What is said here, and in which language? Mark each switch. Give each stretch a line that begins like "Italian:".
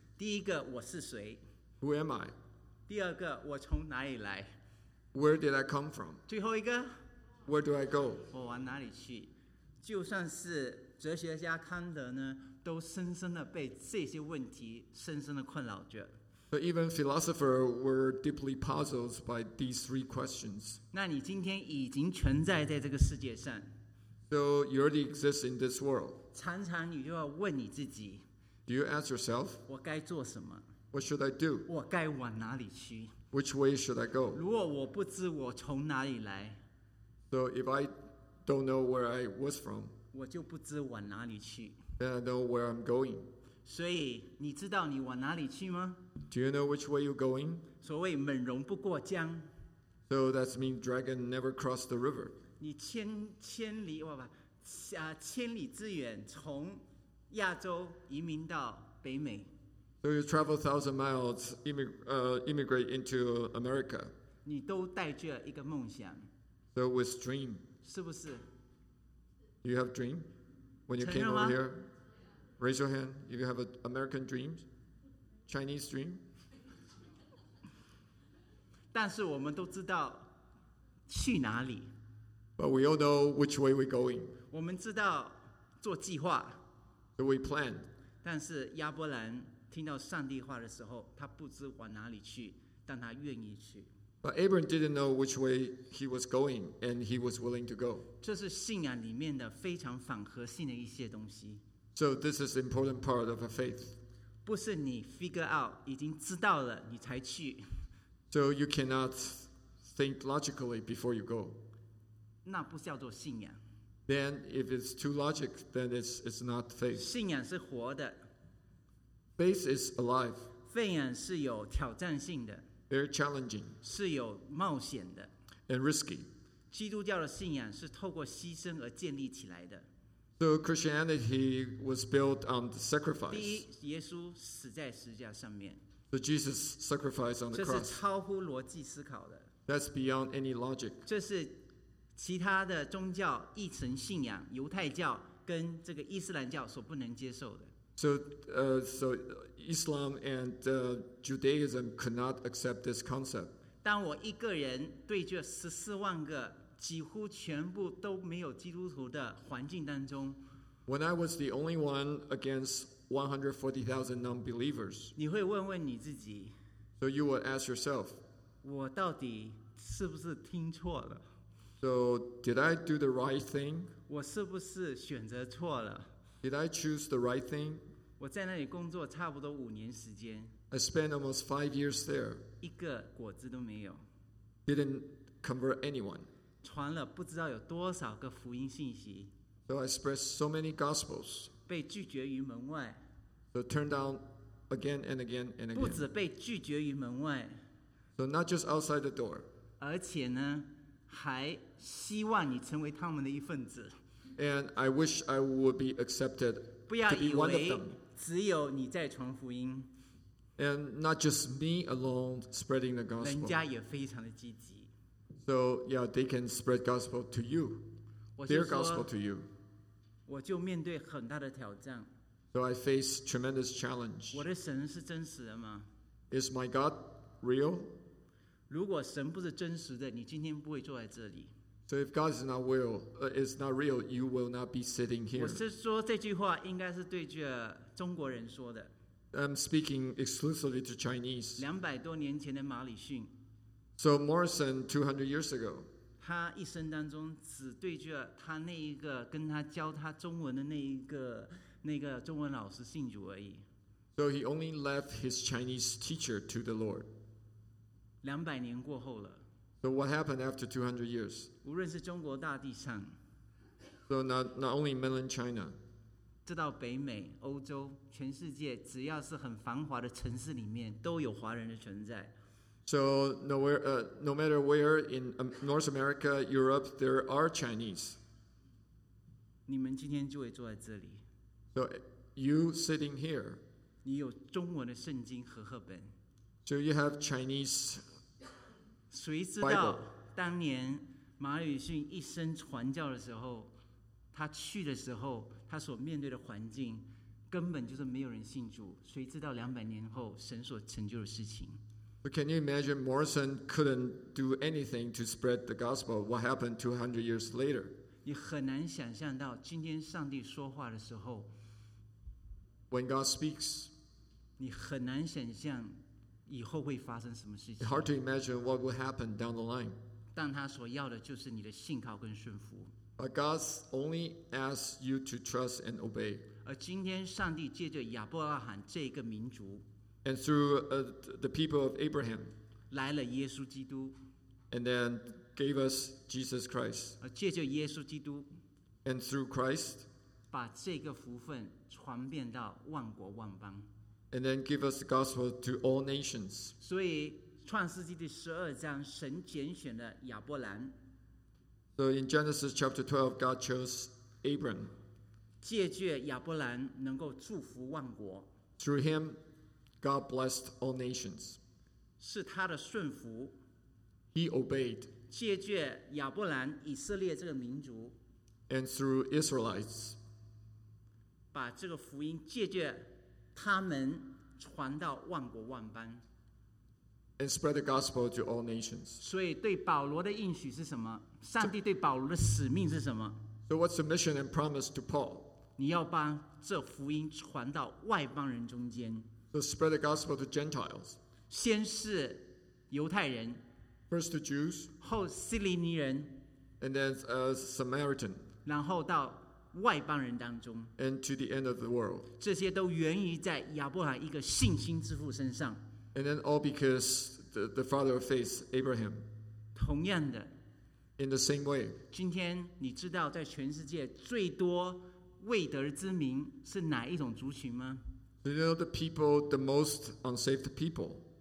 Chinese: 第一个，我是谁
English: ？Who am I?
Chinese: 第二个，我从哪里来？
English: Where did I come from?
Chinese: 最后一个
English: Where do I go?
Chinese: 我往哪里去？就算是哲学家康德呢，都深深的被这些问题深深的困扰着。
English: But even philosophers were deeply puzzled by these three questions.
Chinese: 那你今天已经存在在这个世界上。
English: So you already exist in this world.
Chinese: 常常你就要问你自己。
English: Do you ask yourself?
Chinese: 我该做什么？
English: What should I do?
Chinese: 我该往哪里去？
English: Which way should I go?
Chinese: 如果我不知我从哪里来
English: ，So if I don't know where I was from,
Chinese: 我就不知往哪里去。
English: Then I know where I'm going.
Chinese: 所以你知道你往哪里去吗
English: ？Do you know which way you're going?
Chinese: 所谓猛龙不过江
English: ，So that means dragon never crossed the river.
Chinese: 你千里之远从亚洲移民到北美。
English: So you travel 1,000 miles, immigrate into America.
Chinese: 你都带着一个梦想。
English: So with dream.
Chinese: 是不是
English: ？You have dream when you came over here. Raise your hand if you have an American dream, Chinese dream.
Chinese: 但是我们都知道去哪里。
English: But we all know which way we're going.
Chinese: 我们知道做计划。
English: So we plan.
Chinese: 但是亚伯兰。听到上帝话的时候，他不知往哪里去，但他愿意去。
English: But Abraham didn't know which way he was going, and he was willing to go.
Chinese: 这是信仰里面的非常反合性的一些东西。
English: So this is important part of a faith.
Chinese: 不是你
English: figure out
Chinese: 已经知道了你才去。
English: So you cannot think logically before you go.
Chinese: 那不叫做信仰。
English: Then if it's too logic, then it's not faith.
Chinese: 信仰是活的。
English: Faith is alive.
Chinese: 信仰是有挑战性的。
English: Very challenging.
Chinese: 是有冒险的。
English: And risky.
Chinese: 基督教的信仰是透过牺牲而建立起来的。
English: So Christianity was built on the sacrifice.
Chinese: 第一，耶稣死在十字架上面。
English: So Jesus sacrificed on the cross.
Chinese: 这是超乎逻辑思考的。
English: That's beyond any logic.
Chinese: 这是其他的宗教一层信仰，犹太教跟这个伊斯兰教所不能接受的。
English: So Islam and Judaism could not accept this concept.
Chinese: 当我一个人对这十四万个几乎全部都没有基督徒的环境当中，
English: When I was the only one against 140,000 non-believers,
Chinese: 你会问问你自己，
English: So you would ask yourself,
Chinese: 我到底是不是听错了？
English: So did I do the right thing?
Chinese: 我是不是选择错了？
English: Did I choose the right thing?
Chinese: 我在那里工作差不多五年时间，
English: I spent almost 5 years there,
Chinese: 一个果子都没有，
English: Didn't convert anyone.
Chinese: 传了不知道有多少个福音信息，
English: So I spread so many gospels,
Chinese: 被拒绝于门外，
English: So turned down again and again and again,
Chinese: 不止被拒绝于门外，
English: So not just outside the door,
Chinese: 而且呢还希望你成为他们的一份子，
English: And I wish I would be accepted to be one of them,
Chinese: 不要以为只有你在传福音，
English: And not just me alone spreading the gospel,
Chinese: 人家也非常的积极。
English: So, yeah, they can spread gospel to you, their gospel to you.
Chinese: 我就面对很大的挑战。
English: So I face tremendous challenge.
Chinese: 我的神是真实的吗？
English: Is my God real?
Chinese: 如果神不是真实的，你今天不会坐在这里。
English: So if God is not real, is not real, you will not be sitting here.
Chinese: 我是说这句话应该是对着中国人说的。
English: I'm speaking exclusively to Chinese.
Chinese: 200多年前的马里逊。
English: So Morrison, 200 years ago,
Chinese: 他一生当中只对着他那一个跟他教他中文的那个中文老师信主而已。
English: So he only left his Chinese teacher to the Lord.
Chinese: 200年过后了。
English: So what happened after 200 years?
Chinese: 无论是中国大地上。
English: So not only mainland China.
Chinese: 直到北美、欧洲、全世界，只要是很繁华的城市里面，都有华人的存在。
English: So no matter where in North America, Europe, there are Chinese.
Chinese: 你们今天就会坐在这里。
English: So you sitting here.
Chinese: 你有中文的圣经和合本。
English: So you have Chinese.
Chinese: 谁知道当年马里逊一生传教的时候，他去的时候，他所面对的环境根本就是没有人信主。谁知道两百年后神所成就的事情。
English: But can you imagine Morrison couldn't do anything to spread the gospel? What happened 200 years later?
Chinese: 你很难想象到今天上帝说话的时候，
English: When God speaks,
Chinese: 你很难想象以后会发生什么事情。
English: It's hard to imagine what will happen down the line.
Chinese: 但他所要的就是你的信靠跟顺服。
English: But God only asks you to trust and obey.
Chinese: 而今天上帝借着亚伯拉罕这个民族。
English: And through the people of Abraham,
Chinese: 来了耶稣基督，
English: and then gave us Jesus Christ.
Chinese: 借着耶稣基督，
English: and through Christ,
Chinese: 把这个福分传遍到万国万邦，
English: and then give us the gospel to all nations.
Chinese: 所以创世纪第十二章，神拣选了亚伯兰。
English: So in Genesis chapter 12, God chose Abram.
Chinese: 借着亚伯兰能够祝福万国。
English: Through him. God blessed all nations.
Chinese: 是他的顺服。
English: He obeyed.
Chinese: 借借亚伯兰以色列这个民族。
English: And through Israelites.
Chinese: 把这个福音借借他们传到万国万邦。
English: And spread the gospel to all nations.
Chinese: 所以对保罗的应许是什么？上帝对保罗的使命是什么？
English: So what's the mission and promise to Paul?
Chinese: 你要把这福音传到外邦人中间。
English: To spread the gospel to Gentiles.
Chinese: 先是犹太人，
English: First to Jews.
Chinese: 后希利尼人，
English: And then a Samaritan.
Chinese: 然后到外邦人当中，
English: And to the end of the world.
Chinese: 这些都源于在亚伯兰一个信心之父身上，
English: And then all because the father of faith, Abraham.
Chinese: 同样的，
English: In the same way.
Chinese: 今天你知道在全世界最多未得之民是哪一种族群吗？
English: Do you know the people, the most unsaved people?